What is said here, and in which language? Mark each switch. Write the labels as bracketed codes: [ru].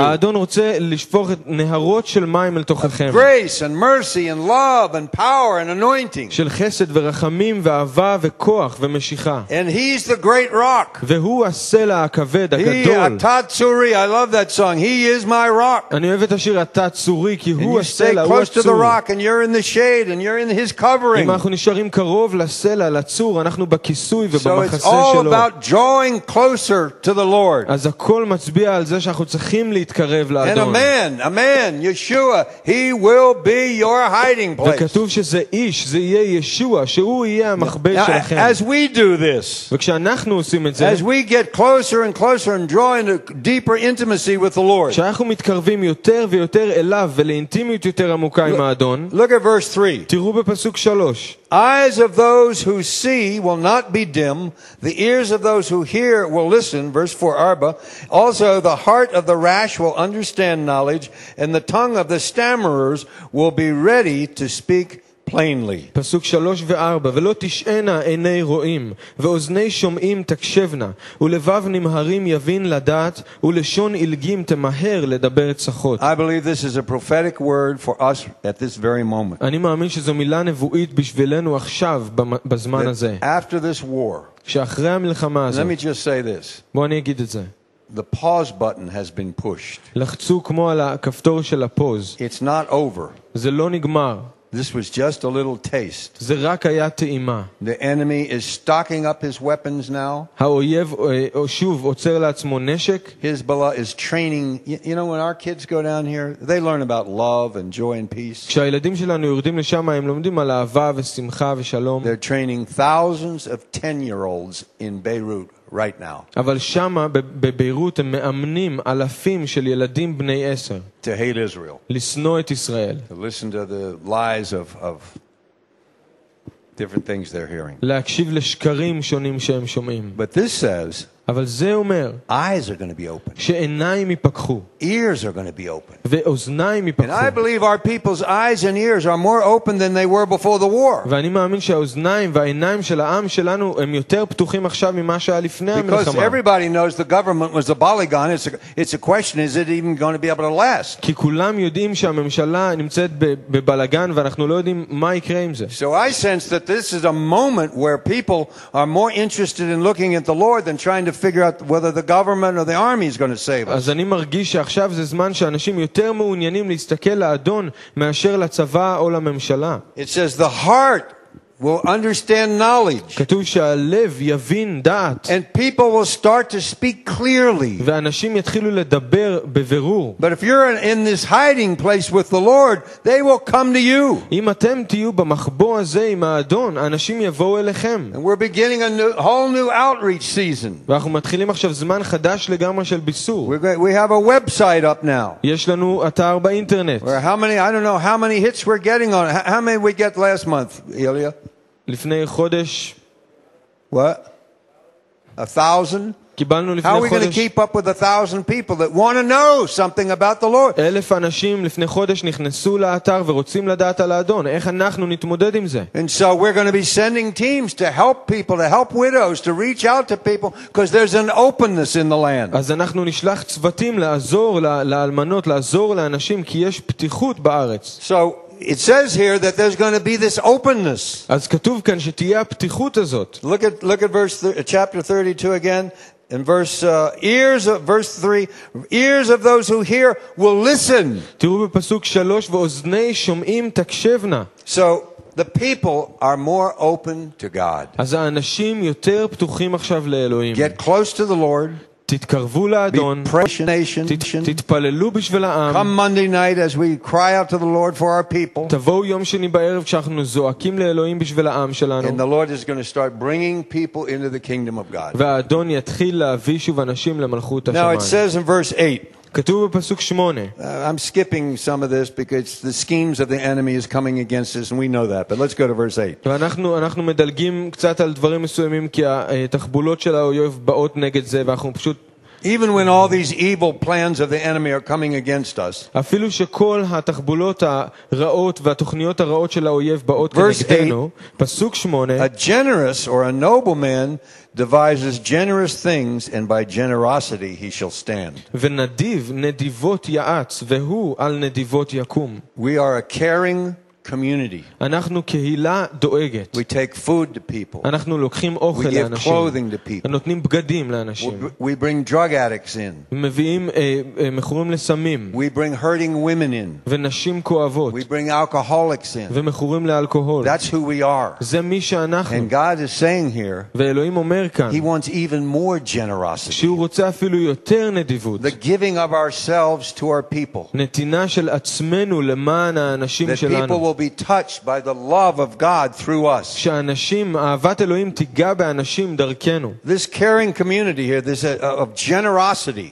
[he] האדון רוצה לשפוך נהרות של מים אל תוככם. [en] Grace and mercy and love and power and anointing. [he] של חסד ורחמים ואהבה וכוח ומשיחה. [en] And he's the great rock. [he] והוא הסלע הכבד הגדול. [en] He is Atatsuri. I love that song. He is my rock. [he] אני אוהב את השיר Atatsuri כי הוא הסלע, הוא הצור. [en] And you stay close to the rock and you're in the shade and you're in his covering. [he] אם אנחנו נשארים קרוב לסלע, לצור, אנחנו בכיסוי ובמחסה שלו. [en] So it's all about joy. Closer to the Lord. [he] אז הכל מצביע על זה שאנחנו צריכים להתקרב לאדון. [en] Amen. Amen. Yeshua, he will be your hiding place. [he] וכתוב שזה איש, זה יהיה ישוע, שהוא יהיה המחבא שלכם. [en] As we do this. [he] וכשאנחנו עושים את זה. [en] As we get closer and closer and draw into deeper intimacy with the Lord. [he] כשאנחנו מתקרבים יותר ויותר אליו ולאינטימיות יותר עמוקה עם האדון. [en] Look at verse 3. [he] תראו בפסוק 3. [en] Eyes of those who see will not be dim, the ears of those who hear will listen, verse 4, Arba. Also, the heart of the rash will understand knowledge, and the tongue of the stammerers will be ready to speak plainly. [he] פסוק 3 ו-4, ולא תשענה עיני רואים, ואוזני שומעים תקשבנה, ולבב נמהרים יבין לדעת, ולשון אלגים תמהר לדבר צחות. [en] I believe this is a prophetic word for us at this very moment. [he] אני מאמין שזו מילה נבואית בשבילנו עכשיו, בזמן הזה. [en] After this war, [he] שאחרי המלחמה הזאת, [en] let me just say this. [he] בוא אני אגיד את זה. [en] The pause button has been pushed. [he] לחצו כמו על הכפתור של הפוז. [en] It's not over. [he] זה לא נגמר. [en] This was just a little taste. [he] זה רק היה טעימה. [en] The enemy is stocking up his weapons now. [he] האויב שוב עוצר לעצמו נשק. [en] Hezbollah is training. You know when our kids go down here, they learn about love and joy and peace. [he] כשהילדים שלנו יורדים לשם, הם לומדים על אהבה ושמחה ושלום. [en] They're training thousands of 10-year-olds in Beirut right now. [he] אבל שמה בביירות הם מאמנים אלפים של ילדים בני 10. [en] To hate Israel. [he] לשנוא את ישראל. [en] To listen to the lies of different things they're hearing. [he] להקשיב לשקרים שונים שהם שומעים. [en] But this says, [he] אבל זה אומר [en] eyes are going to be open. [he] שעיניים ייפקחו. [en] Ears are going to be open. [he] ואוזניים ייפקחו. [en] And I believe our people's eyes and ears are more open than they were before the war. [he] ואני מאמין שהאוזניים והעיניים של העם שלנו הם יותר פתוחים עכשיו ממה שהיה לפני המלחמה. [en] Because everybody knows the government was a polygon. It's a question, is it even going to be able to last? [he] כי כולם יודעים שהממשלה נמצאת בבלגן ואנחנו לא יודעים מה יקרה עם זה. [en] So I sense that this is a moment where people are more interested in looking at the Lord than trying to figure out whether the government or the army is going to save us. [he] אז אני מרגיש שעכשיו זה זמן שאנשים יותר מעוניינים להסתכל לאדון מאשר לצבא או לממשלה. [en] It says the heart will understand knowledge. [he] כתוב שהלב יבין דעת. [en] And people will start to speak clearly. [he] ואנשים יתחילו לדבר בבירור. [en] But if you're in this hiding place with the Lord, they will come to you. [he] אם אתם תהיו במחבוא הזה עם האדון, אנשים יבואו אליכם. [en] And we're beginning a new, whole new outreach season. [he] ואנחנו מתחילים עכשיו זמן חדש לגמרי של ביסור. [en] We have a website up now. [he] יש לנו אתר באינטרנט. [en] Where how many, I don't know how many hits we're getting on. How many we get last month, Ilya? [he] לפני חודש [en] what 1000 [he] קיבלנו לפני חודש [en] how are we going to keep up with 1000 people that want to know something about the Lord [he] 1000 אנשים לפני חודש נכנסו לאתר ורוצים לדעת על האדון איך אנחנו נתמודד עם זה [en] and so we're going to be sending teams to help people to help widows to reach out to people because there's an openness in the land [he] אז אנחנו נשלח צוותים לעזור לאלמנות לעזור לאנשים כי יש פתיחות בארץ [en] so It says here that there's going to be this openness. [he] אז כתוב כאן שתהיה הפתיחות הזאת. [en] Look at verse chapter 32 again in verse 3 ears of those who hear will listen. [he] תראו בפסוק 3 ואוזני שומעים תקשבנה. [en] So the people are more open to God. [he] אז האנשים יותר פתוחים עכשיו לאלוהים. [en] Get close to the Lord. [he] תתקרבו לאדון תתפללו בשביל העם [en] Come Monday night as we cry out to the Lord for our people [he] תבואו יום שני בערב כשאנחנו זועקים לאלוהים בשביל העם שלנו [en] And the Lord is going to start bringing people into the kingdom of God [he] והאדון יתחיל להביא שוב אנשים למלכות השמיים [en] Now it says in verse 8 [he] כתוב בפסוק 8 [en] I'm skipping some of this because the schemes of the enemy is coming against us and we know that but let's go to verse 8 [he] אנחנו מדלגים קצת על דברים מסוימים כי התחבולות של האויב באות נגד זה ואנחנו פשוט [en] Even when all these evil plans of the enemy are coming against us. [he] אפילו שכל התחבולות הרעות והתוכניות הרעות של האויב באות כנגדנו, פסוק 8. [en] A generous or a noble man devises generous things and by generosity he shall stand. [he] ונדיב נדיבות יעץ והוא על נדיבות יקום. [en] We are a caring community. [he] אנחנו קהילה דואגת. [en] We take food to people. [he] אנחנו לוקחים אוכל לאנשים. [en] We give clothing to people. [he] נותנים בגדים לאנשים. [en] We bring drug addicts in. [he] מביאים מכורים לסמים. [en] We bring hurting women in. [he] ונשים כואבות. [en] We bring alcoholics in. [he] ומכורים לאלכוהול. [en] That's who we are. [he] זה מי שאנחנו. [en] And God is saying here. [he] ואלוהים אומר כאן. [en] He wants even more generosity. [he] שהוא רוצה אפילו יותר נדיבות. [en] The giving of ourselves to our people. [he] נתינה של עצמנו למען האנשים שלנו. [en] will be touched by the love of God through us. [he] שאנשים אהבת אלוהים תיגע באנשים דרכנו. [en] This caring community here this of generosity.